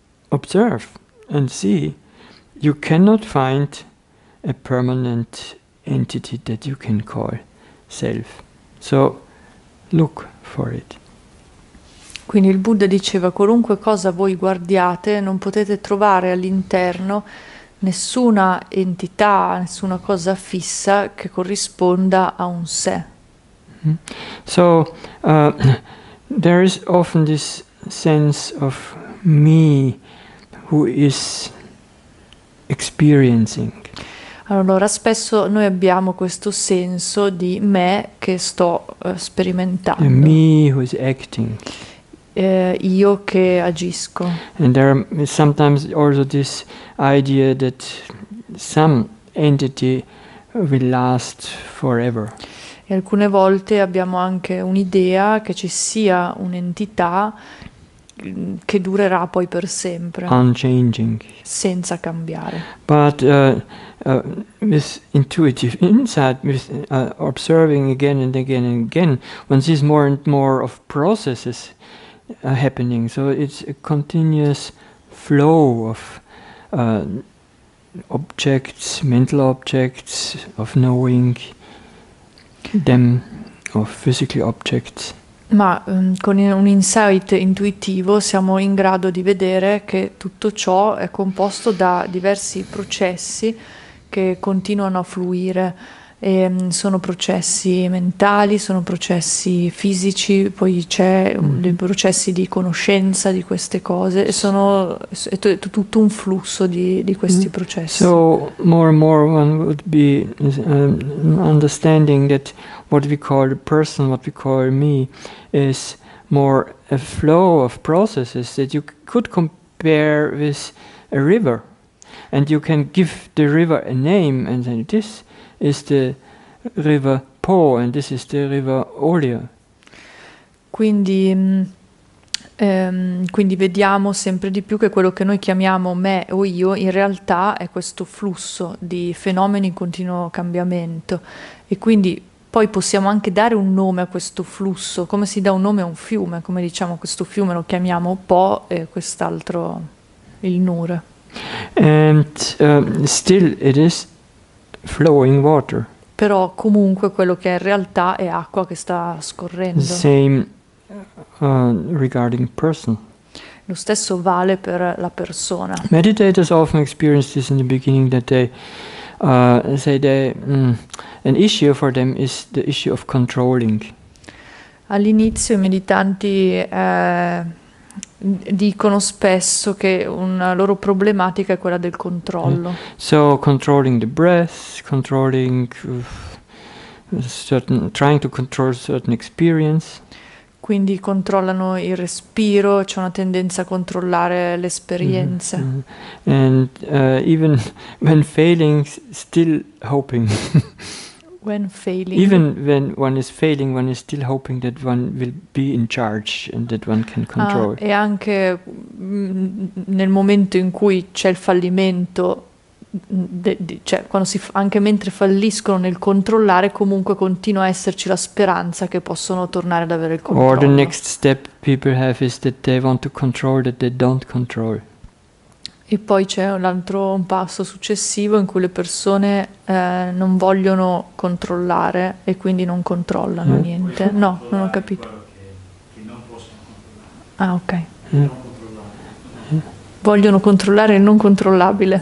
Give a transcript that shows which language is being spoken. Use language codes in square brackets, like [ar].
[en] observe and see, you cannot find a permanent entity that you can call self. So look for it. [it] Quindi il Buddha diceva: qualunque cosa voi guardiate, non potete trovare all'interno nessuna entità, nessuna cosa fissa che corrisponda a un sé. [en] So there is often this sense of me who is experiencing. [it] Allora, spesso noi abbiamo questo senso di me che sto sperimentando. [en] And me who is acting. [it] Io che agisco. [en] And there is sometimes also this idea that some entity will last forever. [it] E alcune volte abbiamo anche un'idea che ci sia un'entità che durerà poi per sempre. [en] Unchanging. [it] Senza cambiare. [en] But this intuitive insight, with observing again and again and again, one sees more and more of processes happening. So it's a continuous flow of objects, mental objects, of knowing them, of physical objects. [it] Ma con un insight intuitivo siamo in grado di vedere che tutto ciò è composto da diversi processi che continuano a fluire. E sono processi mentali, sono processi fisici, poi c'è dei processi di conoscenza di queste cose, e sono tutto un flusso di questi processi. [en] So more and more one would be understanding that what we call a person, what we call me, is more a flow of processes that you could compare with a river, and you can give the river a name, and then it is. Is the river Po, and this is the river Olio. [it] Quindi, quindi vediamo sempre di più che quello che noi chiamiamo me o io in realtà è questo flusso di fenomeni in continuo cambiamento. E quindi poi possiamo anche dare un nome a questo flusso, come si dà un nome a un fiume, come diciamo questo fiume lo chiamiamo Po e quest'altro il Nur. [en] And still it is flowing water. [it] Però comunque quello che è in realtà è acqua che sta scorrendo. [en] Same regarding person. [it] Lo stesso vale per la persona. [en] Meditators often experience this in the beginning that they say that an issue for them is the issue of controlling. [it] All'inizio i meditanti dicono spesso che una loro problematica è quella del controllo. [en] So controlling the breath, controlling certain, trying to control certain experience. [it] Quindi controllano il respiro, c'è una tendenza a controllare l'esperienza. Mm-hmm. [en] And even when failing, still hoping. When failing. Even when one is failing, one is still hoping that one will be in charge and that one can control. [it] E anche nel momento in cui c'è il fallimento, cioè quando si anche mentre falliscono nel controllare, comunque continua a esserci la speranza che possono tornare ad avere il controllo. [en] Or the next step people have is that they want to control that they don't control. [it] E poi c'è un altro un passo successivo in cui le persone non vogliono controllare e quindi non controllano niente. No, non ho capito. Che non possono controllare. Ah, ok. Vogliono controllare il non controllabile.